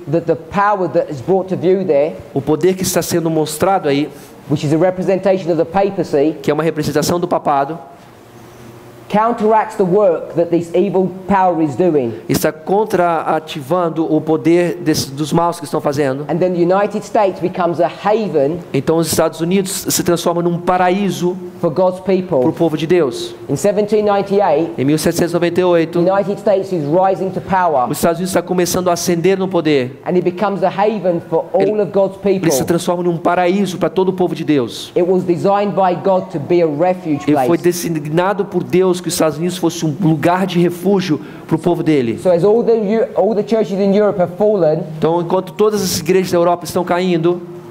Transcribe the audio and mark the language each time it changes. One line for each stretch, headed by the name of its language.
English: that the power that is brought to view there,
Portuguese: o poder que está sendo mostrado aí,
English: which is a representation of the papacy,
Portuguese: que é uma representação do papado,
English: counteracts the work that this evil power is doing.
Portuguese: Está contraativando o poder dos maus que estão fazendo.
English: And then the United States becomes a haven.
Portuguese: Então os Estados Unidos se transforma num paraíso
English: for God's people.
Portuguese: Para o povo de Deus.
English: In 1798,
Portuguese: em 1798,
English: the United States is rising to power.
Portuguese: Os Estados Unidos está começando a ascender no poder.
English: And it becomes a haven for all of God's people.
Portuguese: Ele se transforma num paraíso para todo o povo de Deus.
English: It was designed by God to be a refuge place.
Portuguese: Ele foi designado por Deus que os Estados Unidos fosse um lugar de refúgio para o povo dele.
English: So as all the churches in Europe have fallen,
Portuguese: então, enquanto todas as igrejas da Europa estão caindo,